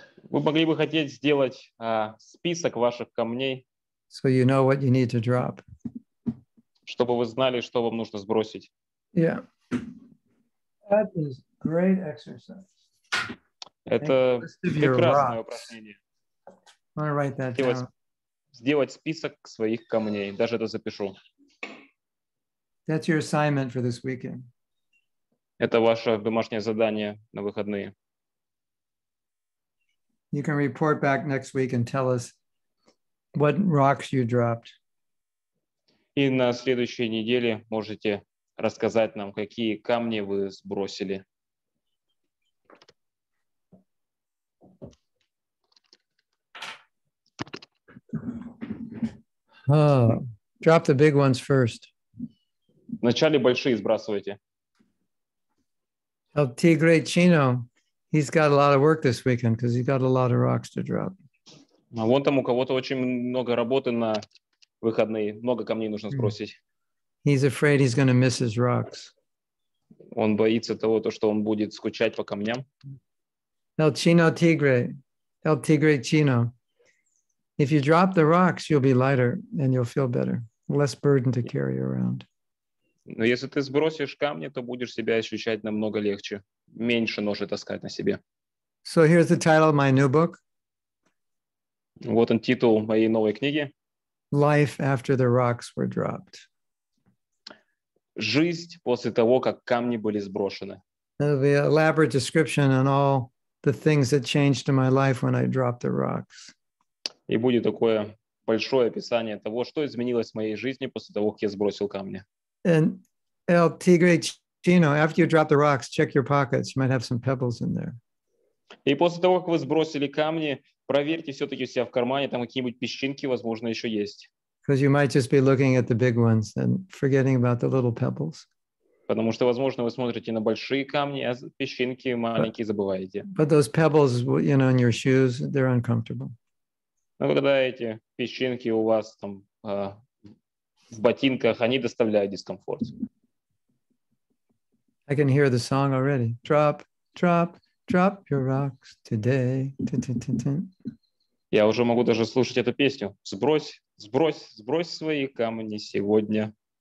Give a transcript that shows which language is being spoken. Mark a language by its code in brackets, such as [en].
[ru] Вы могли бы хотеть сделать список ваших камней. [en] So you know what you need to drop. [ru] Чтобы вы знали, что вам нужно сбросить. [en] Yeah. That is great exercise. [ru] Это прекрасное упражнение. [en] I'm going to write that down. [ru] Сделать список своих камней. Даже это запишу. [en] That's your assignment for this weekend. [ru] Это ваше домашнее задание на выходные. [en] You can report back next week and tell us what rocks you dropped. [ru] И на следующей неделе можете рассказать нам, какие камни вы сбросили. [en] Oh, drop the big ones first. [ru] Вначале большие сбрасывайте. [en] El Tigre Chino, he's got a lot of work this weekend because he's got a lot of rocks to drop. [ru] А вон там у кого-то очень много работы на выходные, много камней нужно сбросить. [en] He's afraid he's going to miss his rocks. [ru] Он боится того, то, что он будет скучать по камням. [en] El Chino Tigre, El Tigre Chino, if you drop the rocks, you'll be lighter and you'll feel better, less burden to carry around. [ru] Но если ты сбросишь камни, то будешь себя ощущать намного легче. Меньше ножи таскать на себе. [en] So here's the title of my new book. [ru] Вот он титул моей новой книги. [en] Life after the rocks were dropped. [ru] Жизнь после того, как камни были сброшены. [en] It'll be an elaborate description on all the things that changed in my life when I dropped the rocks. [ru] И будет такое большое описание того, что изменилось в моей жизни после того, как я сбросил камни. [en] And El Tigre Chino, after you drop the rocks, check your pockets. You might have some pebbles in there. [ru] И после того, как вы сбросили камни, проверьте все-таки у себя в кармане, там какие-нибудь песчинки, возможно, еще есть. [en] Because you might just be looking at the big ones and forgetting about the little pebbles. [ru] Потому что, возможно, вы смотрите на большие камни, а песчинки маленькие забываете. [en] But those pebbles, you know, in your shoes, they're uncomfortable. [ru] Ну, когда эти песчинки у вас там... в ботинках, они доставляют дискомфорт. [en] I can hear the song already. Drop, drop, drop your rocks today. Tin-tin-tin-tin. [ru] Я уже могу даже слушать эту песню. Сбрось, сбрось, сбрось свои камни сегодня.